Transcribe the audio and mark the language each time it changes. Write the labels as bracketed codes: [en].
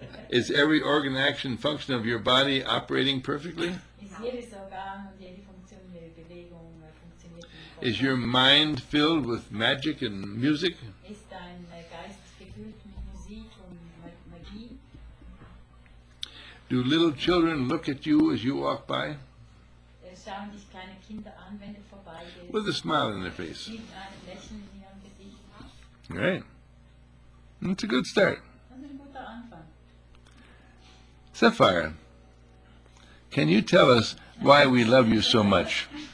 [en] Is every organ, action, function of your body operating perfectly? [de] Ist jedes Organ und jede Funktion, jede Bewegung funktioniert? [en] Is your mind filled with magic and music? [de] Ist dein Geist gefüllt mit Musik und Magie? [en] Do little children look at you as you walk by? [de] Schauen dich kleine Kinder an, wenn du vorbeigehst. [en] With a smile on their face. [de] Mit einem Lächeln in ihrem Gesicht. [en] Right. That's a good start. [de] Das ist ein guter Anfang. [en] Sapphire, can you tell us why we love you so much?